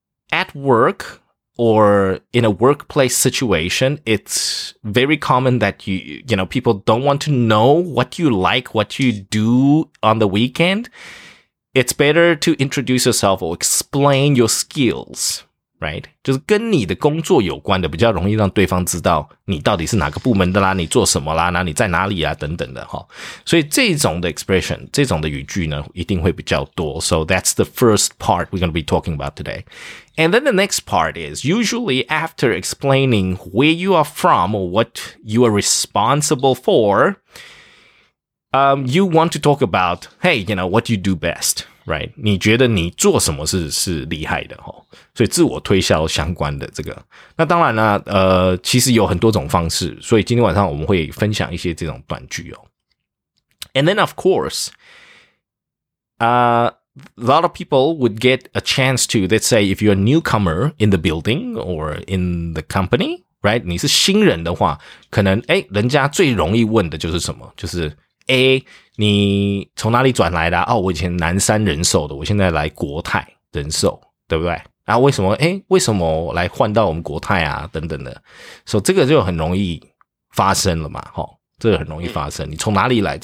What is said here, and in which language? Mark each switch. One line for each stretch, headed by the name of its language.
English: At work or in a workplace situation, it's very common that you know, people don't want to know what you like, what you do on the weekend. It's better to introduce yourself or explain your skills, right?
Chinese: 就是跟你的工作有关的比较容易让对方知道你到底是哪个部门的啦，你做什么啦，那你在哪里啊等等的齁。所以这种的 expression, 这种的语句呢一定会比较多。
English: So that's the first part we're going to be talking about today. And then the next part is usually after explaining where you are from or what you are responsible for,you want to talk about, hey, you know, what you do best, right?
Chinese: 你觉得你做什么是厉害的、哦、所以自我推销相关的这个。那当然呢、啊、其实有很多种方式，所以今天晚上我们会分享一些这种短句哦。
English: And then, of course, a lot of people would get a chance to, let's say, if you're a newcomer in the building or in the company, right?
Chinese: 你是新人的话，可能，诶，人家最容易问的就是什么？就是A, 你从哪里转来的、啊、哦，我以前南山人寿的，我现在来国泰人寿，对不对？啊，为什么？诶，为什么来换到我们国泰啊？等等的，所以这个就很容易发生了嘛，齁、哦，这个很容易发生。你从哪里来？